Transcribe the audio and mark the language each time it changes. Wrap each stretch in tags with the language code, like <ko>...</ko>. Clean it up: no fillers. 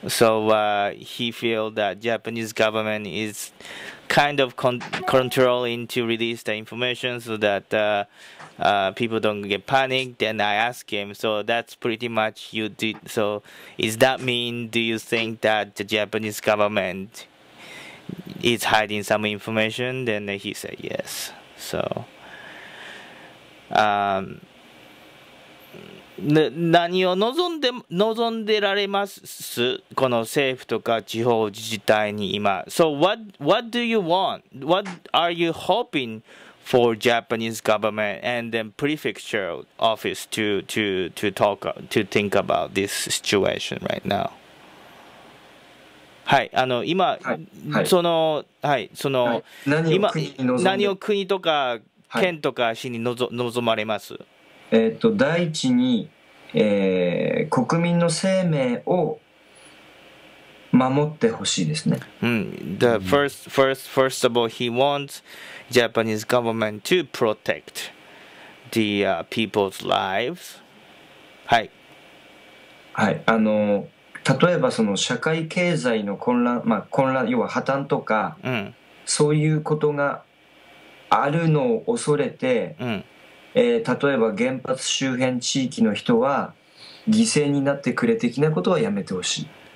<en>So he feels that Japanese government is kind of controlling to release the information so that people don't get panicked. Then I ask him, so that's pretty much you did. So is that mean, do you think that the Japanese government is hiding some information? Then he said yes.</en> <ja>So, 何を望んでられますこの政府とか地方自治体に今。</ja> <en>So what do you want? What are you hoping for Japanese government and then prefecture office to think about this situation right now?</en> <ja>はい、今、はい、その、はい、その、はい、何を国とか県とか市に望まれます、第一に、国民の生命を守ってほしいですね。</ja> <en>The first of all, he wants Japanese government to protect the people's lives.</en> <ja>はい。はい、例えばその社会経済の混乱、まあ混乱、要は破綻とか、そういうことがあるのを恐れて、例えば原発周辺地域の人は犠牲になってくれ的なことはやめてほしい。</ja>